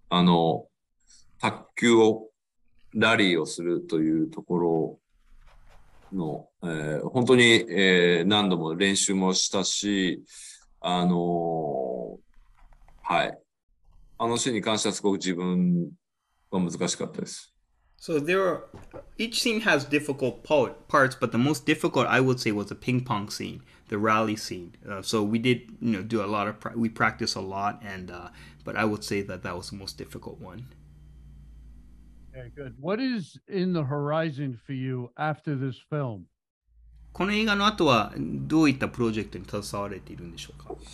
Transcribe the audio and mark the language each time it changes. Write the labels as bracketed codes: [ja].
[ja] あの、卓球をラリーをするというところの、本当に、何度も練習もしたし、はい。あのシーンに関してはすごく自分は難しかったです。 [en] So there are, each scene has difficult parts, but the most difficult I would say was the ping pong scene, the rally scene. So we did, you know, do a lot of, we practiced a lot, and, but I would say that that was the most difficult one. Okay, good. What is in the horizon for you after this film? [ja] この映画の後はどういったプロジェクトに携われているんでしょうか？